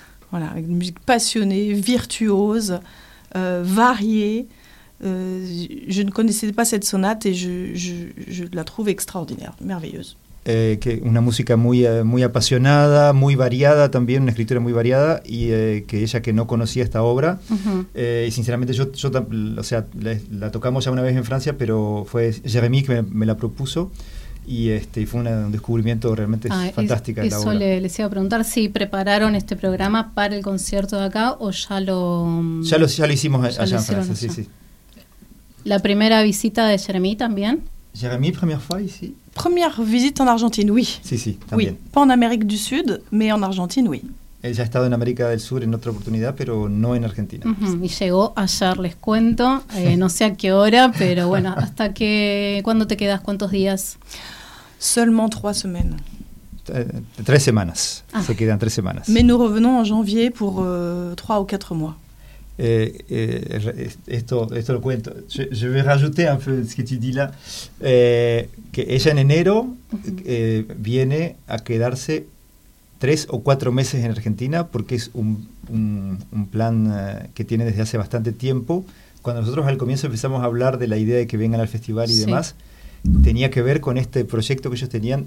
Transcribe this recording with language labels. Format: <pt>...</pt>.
<fr>Voilà, une musique passionnée, virtuose, variée. Je ne connaissais pas cette sonate et je la trouve extraordinaire, merveilleuse.</fr> <es>Que una música muy, muy apasionada, muy variada también, una escritura muy variada, y que ella que no conocía esta obra, uh-huh. Y sinceramente yo o sea, la tocamos ya una vez en Francia, pero fue Jérémy que me la propuso, y fue un descubrimiento realmente fantástico. Eso la obra. Les iba a preguntar si prepararon este programa para el concierto de acá o ya lo... Ya lo hicimos allá en Francia, sí. ¿La primera visita de Jérémy también?</es> <fr>Jérémy, première fois ici. Première visite en Argentine, oui.</fr> <es>Si, también.</es> <fr>Oui. Pas en Amérique du Sud, mais en Argentine, oui.</fr> <es>Ella ha estado en América del Sur en otra oportunidad, pero no en Argentina. Uh-huh. Y llegó ayer, les cuento, no sé a qué hora, pero bueno, hasta que... ¿Cuándo te quedas? ¿Cuántos días?</es> <fr>Seulement 3 semaines.</fr> <es>3 semanas. Ah. Se quedan 3 semanas.</es> <fr>Mais nous revenons en janvier pour 3 ou 4 mois.</fr> <es>Esto lo cuento.</es> <fr>Je vais rajouter un peu ce que tu dis là.</fr> <es>Que ella en enero viene a quedarse 3 o 4 meses en Argentina porque es un plan que tiene desde hace bastante tiempo. Cuando nosotros al comienzo empezamos a hablar de la idea de que vengan al festival y demás, tenía que ver con este proyecto que ellos tenían.</es>